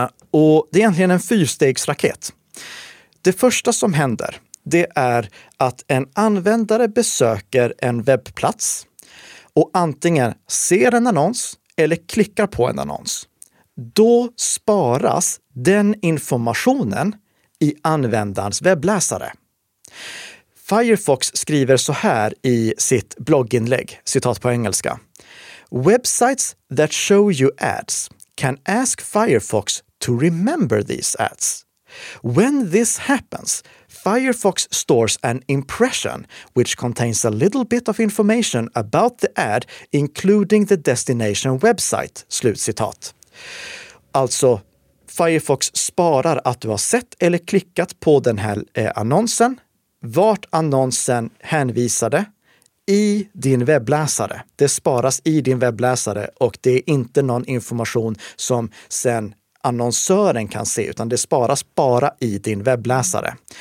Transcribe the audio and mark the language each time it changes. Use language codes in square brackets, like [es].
[sv] Och det är egentligen en fyrstegsraket. Det första som händer, det är att en användare besöker en webbplats och antingen ser en annons eller klickar på en annons. Då sparas den informationen i användarens webbläsare. Firefox skriver så här i sitt blogginlägg, citat på engelska. [en] Websites that show you ads can ask Firefox to remember these ads. When this happens, Firefox stores an impression which contains a little bit of information about the ad, including the destination website, [sv] slut citat. Alltså, Firefox sparar att du har sett eller klickat på den här annonsen, vart annonsen hänvisade i din webbläsare. Det sparas i din webbläsare och det är inte någon information som sen annonsören kan se, utan det sparas bara i din webbläsare.